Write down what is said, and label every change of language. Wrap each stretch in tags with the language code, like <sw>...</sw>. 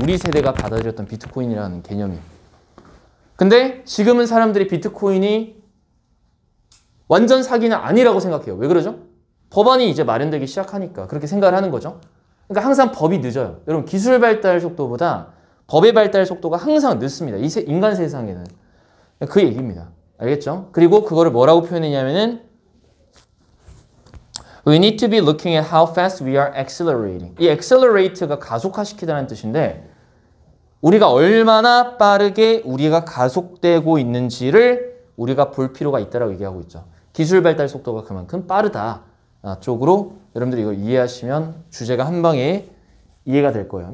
<ko>우리 세대가 받아들였던 비트코인이라는 개념이. 근데 지금은 사람들이 비트코인이 완전 사기는 아니라고 생각해요. 왜 그러죠? 법안이 이제 마련되기 시작하니까 그렇게 생각을 하는 거죠. 그러니까 항상 법이 늦어요. 여러분 기술 발달 속도보다 법의 발달 속도가 항상 늦습니다. 인간 세상에는. 그 얘기입니다. 알겠죠? 그리고 그거를 뭐라고 표현했냐면은</ko> <en>We need to be looking at how fast we are accelerating.</en> <ko>이 accelerate가 가속화시키다는 뜻인데 우리가 얼마나 빠르게 우리가 가속되고 있는지를 우리가 볼 필요가 있다라고 얘기하고 있죠. 기술 발달 속도가 그만큼 빠르다. 쪽으로 여러분들이 이거 이해하시면 주제가 한 방에 이해가 될 거예요.</ko>